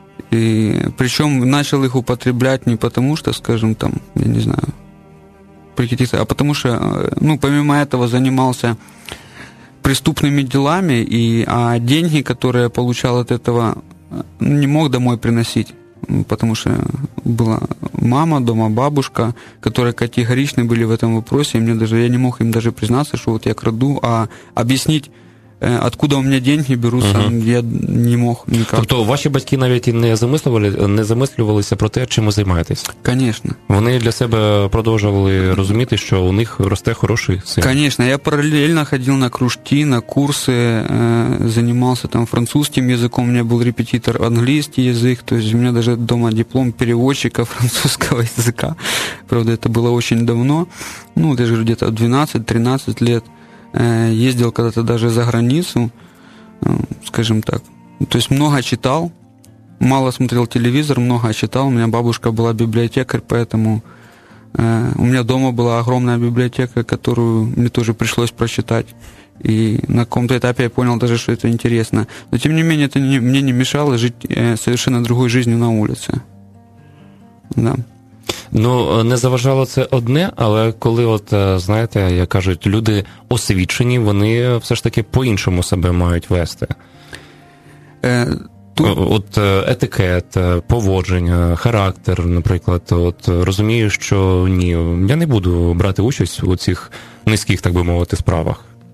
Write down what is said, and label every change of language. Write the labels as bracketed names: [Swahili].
[Russian] И причем начал их употреблять не потому, что, скажем, там, я не знаю, а потому что, ну, помимо этого, занимался преступными делами, и, а деньги, которые я получал от этого, не мог домой приносить, потому что была мама дома, бабушка, которые категоричны были в этом вопросе, и мне даже, я не мог им даже признаться, что вот я краду, а объяснить, откуда у меня деньги берутся, я не мог никак. [Ukrainian] Тобто ваші батьки навіть і не замислювалися про те, чим ви займаєтесь? [Russian] Конечно. [Ukrainian] Вони для себе продовжували розуміти, що у них росте хороший син. [Russian] Конечно, я параллельно ходил на кружки, на курси, занимался там французским языком, у меня был репетитор английский язык, то есть у меня даже дома диплом переводчика французского языка. Правда, это было очень давно. Ну, даже где-то 12-13 лет. Ездил когда-то даже за границу, скажем так. То есть много читал, мало смотрел телевизор, много читал. У меня бабушка была библиотекарь, поэтому у меня дома была огромная библиотека, которую мне тоже пришлось прочитать. И на каком-то этапе я понял даже, что это интересно. Но тем не менее, это мне не мешало жить совершенно другой жизнью на улице. Да. [Ukrainian] Ну, не заважало це одне, але коли, от, знаєте, як кажуть, люди освічені, вони все ж таки по-іншому себе мають вести. От етикет, поводження, характер, наприклад, от розумію, що ні, я не буду брати участь у цих низьких, так би мовити, справах.